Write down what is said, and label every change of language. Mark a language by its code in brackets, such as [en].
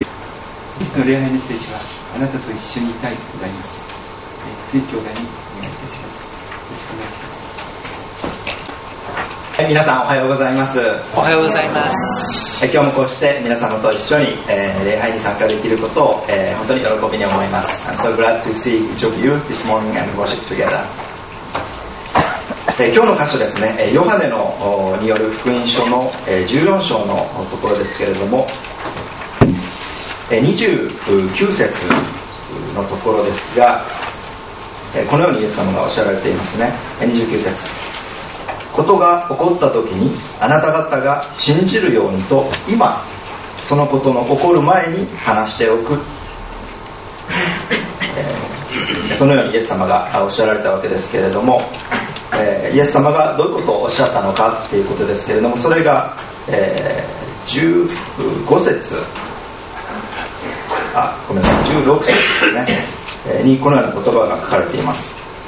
[ja] いつの礼拝メッセージはあなたと一緒にいたいとございます。追教会にお願いいたします。よろしくお願いします。皆さんおはようございます。おはようございます。今日もこうして皆様と一緒に、礼拝に参加できることを、本当に喜びに思います。 [en] I'm so glad to see each of you this morning and worship together。 [ja] 今日の箇所ですね、ヨハネのによる福音書の14章のところですけれども、29節のところですが、このようにイエス様がおっしゃられていますね。 29節、ことが起こった時にあなた方が信じるようにと今そのことの起こる前に話しておく、そのようにイエス様がおっしゃられたわけですけれども、イエス様がどういうことをおっしゃったのかということですけれども、それが、16節ですね、にこのような言葉が書かれています。